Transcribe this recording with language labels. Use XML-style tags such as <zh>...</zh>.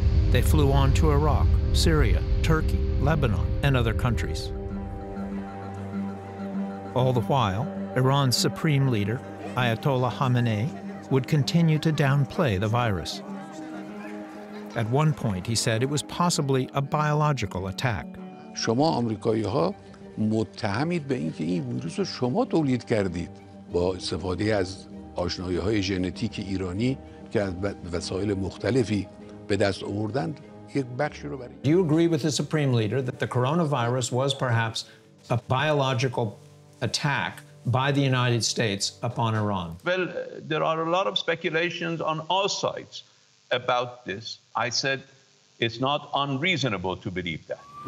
<en>They flew on to Iraq, Syria, Turkey, Lebanon, and other countries. All the while, Iran's supreme leader, Ayatollah Khamenei, would continue to downplay the virus. At one point, he said it was possibly a biological attack.</en> <fa>شما آمریکایی‌ها متهمید به اینکه این ویروس رو شما تولید کردید با استفاده از آشنایی‌های ژنتیک ایرانی که از وسایل مختلفی به دست آوردند یک بخشی رو برای</fa> <en>Do you agree with the supreme leader that the coronavirus was perhaps a biological attack by the United States upon Iran? Well, there are a lot of speculations on all sides about this. I said it's not unreasonable to believe that.</en>